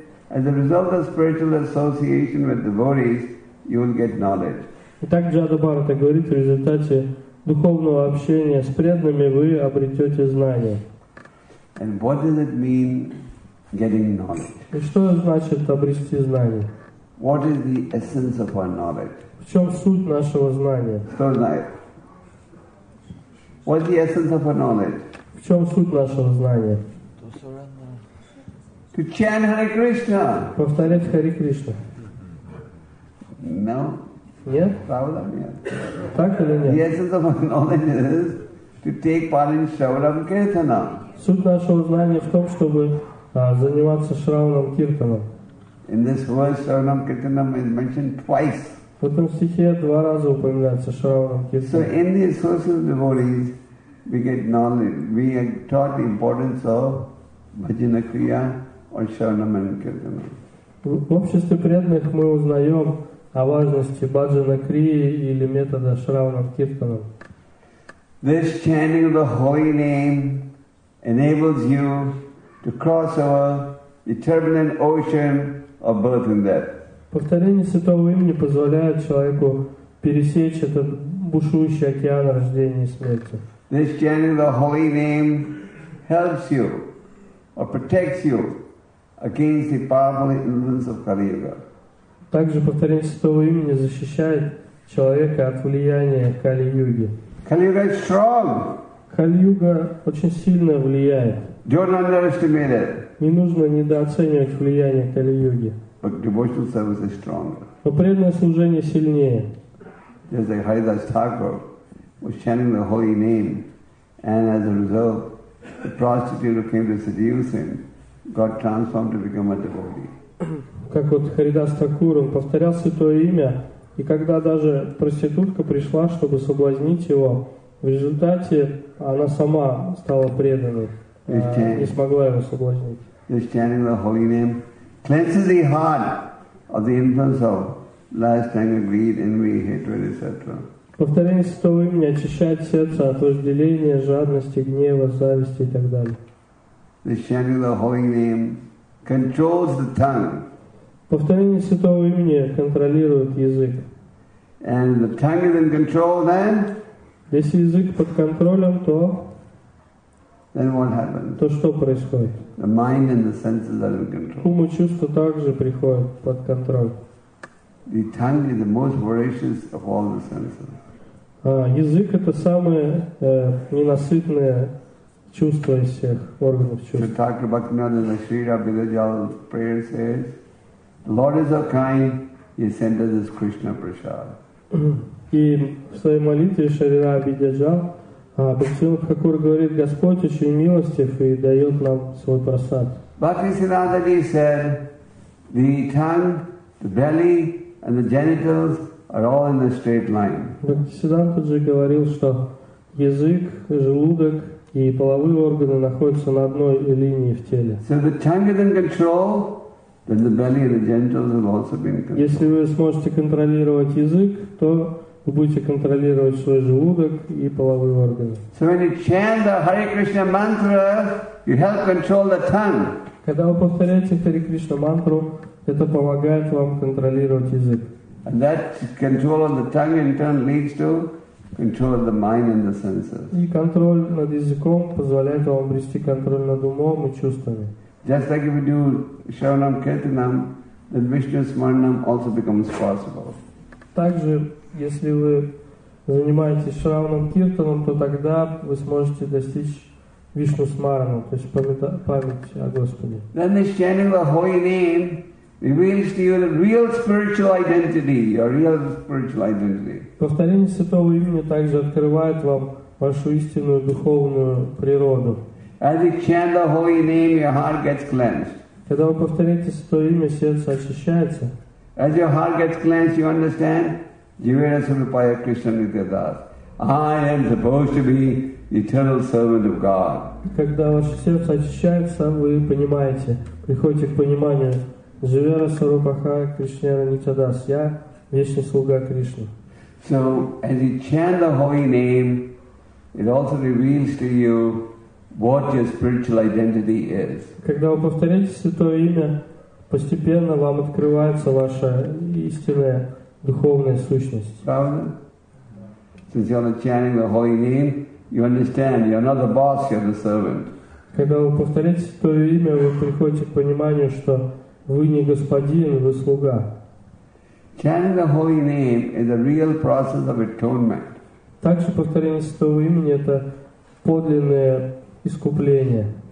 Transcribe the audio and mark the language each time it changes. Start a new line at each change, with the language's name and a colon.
English: As a result of spiritual association with devotees, you will get knowledge.
Russian: Итак, Джада Бхарата говорит, в результате духовного общения с преданными вы обретете знания.
English: And what does it mean getting knowledge?
Russian: И что значит обрести знания?
English: What is the essence of our knowledge?
Russian: В чем суть нашего знания?
English: So now, what is the essence of our knowledge?
Russian: В чем суть нашего знания?
English: To chant Hare Krishna.
Russian: Повторять Хари Кришна.
English: No.
Russian: Нет? Правда? Нет. Так или нет?
English: The essence of my knowledge is to take part in Shravanam Kirtanam.
Russian: Суть нашего знания в том, чтобы заниматься Шраванам Киртаном.
English: In this verse, Shravanam Kirtanam is mentioned twice.
Russian: В этом стихе два раза упоминается Шраванам Киртанам.
English: So in the associated devotees, we get knowledge. We are taught the importance of bhajana kriya or shravanam and kirtanam.
Russian: В обществе преданных мы узнаем о важности баджана крии или метода шравана киртана.
English: This chanting of the holy name enables you to cross over the turbulent ocean of birth and death.
Russian: Повторение святого имени позволяет человеку пересечь этот бушующий океан рождения и смерти.
English: This chanting of the holy name helps you or protects you against the powerful influence of Kali Yuga.
Russian: Также повторение святого имени защищает человека от влияния Кали Юги.
English: Kali Yuga is strong.
Russian: Kali Yuga очень сильно влияет.
English: Don't underestimate it.
Russian: Не нужно недооценивать влияние Кали Юги.
English: But devotional service is stronger.
Russian: Но преданное служение сильнее.
English: Just like Haridas Thakur was chanting the holy name, and as a result, the prostitute who came to seduce him got transformed to become a devotee.
Russian: Как вот Харидас Такур, он повторял святое имя, и когда даже проститутка пришла, чтобы соблазнить его, в результате она сама стала преданной, не смогла его соблазнить.
English: This chanting the holy name cleanses the heart of the influence of lust, anger, greed, envy, hatred, etc.
Russian: Повторение святого имени очищает сердце от вожделения, жадности, гнева, зависти и так далее.
English: This chanting the holy name controls the tongue.
Russian: Повторение святого имени контролирует язык.
English: And the tongue is in control then?
Russian: Если язык под контролем, то
English: then what happens?
Russian: То что происходит?
English: The mind and the senses are in control.
Russian: Ум и чувства также приходят под контроль.
English: The tongue is the most voracious of all the senses.
Russian: Язык это самое ненасытное чувство из всех органов чувств.
English: So Thakur Bhaktivinoda in the Shrira Vidajal prayer says, the Lord is so kind, he sent us this Krishna Prasad.
Russian: И в своей молитве Шрира Бидяджал Бхактивинода Хакур говорит, Господь очень милостив и дает нам свой просад.
English: Bhaktisiddhanta said, the tongue, the belly and the genitals are all in a straight line.
Russian: Бхактисиддханта же говорил, что язык, желудок и половые органы находятся на одной линии в теле.
English: So the tongue is in control, then the belly and the genitals have also been controlled.
Russian: Если вы сможете контролировать язык, то вы будете контролировать свой желудок и половые органы.
English: So when you chant the Hare Krishna mantra, you help control the tongue.
Russian: Когда вы повторяете Hare Krishna мантру, это помогает вам контролировать язык.
English: And that control of the tongue in turn leads to control of the mind and the senses.
Russian: И контроль над языком позволяет вам обрести контроль над умом и чувствами.
English: Just like if you do Shravanam Kirtanam, then Vishnu Smaranam also becomes possible.
Russian: Также, если вы занимаетесь Шравнам Киртаном, то тогда вы сможете достичь Вишну Смаранам, то есть память о Господе.
English: Then the chanting the holy name reveals to you the real spiritual identity, your real spiritual identity.
Russian: Повторение святого имени также открывает вам вашу истинную духовную природу.
English: As you chant the holy name, your heart gets cleansed.
Russian: Когда вы повторяете святое имя, сердце очищается.
English: As your heart gets cleansed, you understand,
Bangla: Jivera Surupaya Krishna Nitya Das.
English: I am supposed to be the eternal servant of God.
Russian: Когда ваше сердце очищается, вы понимаете, приходите к пониманию,
Bangla: Живера Сарупаха Кришнера Нитядас.
Russian: Я вечный слуга Кришны.
English: So, as you chant the holy name, it also reveals to you what your spiritual identity is.
Russian: Когда вы повторяете святое имя, постепенно вам открывается ваша истинная духовная сущность. Правда?
English: Since you're chanting the holy name, you understand you're not the boss, you're the servant.
Russian: Когда вы повторяете святое имя, вы приходите к пониманию, что вы не господин, вы слуга.
English: Chanting the holy name is a real process of atonement.
Russian: Также повторение святого имени это подлинное искупление.